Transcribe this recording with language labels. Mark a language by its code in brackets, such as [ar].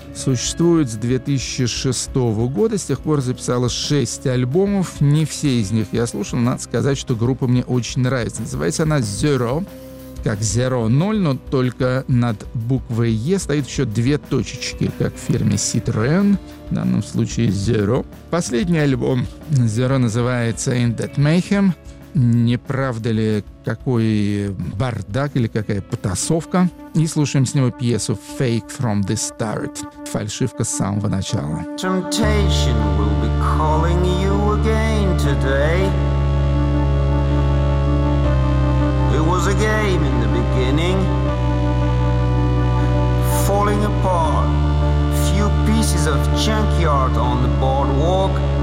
[ru] Существует с 2006 года, с тех пор записала 6 альбомов. Не все из них я слушал, надо сказать, что группа мне очень нравится. Называется она Zero, как Zero 0, но только над буквой Е стоит еще 2 точечки, как в фирме Citroën, в данном случае Zero. Последний альбом Zero называется In That Mayhem. Не правда ли, какой бардак или какая потасовка? И слушаем с него пьесу «Fake from the Start» — фальшивка с самого начала. [en] Temptation will be calling you again today. It was a game in the beginning. Falling apart. Few pieces of junkyard on the boardwalk.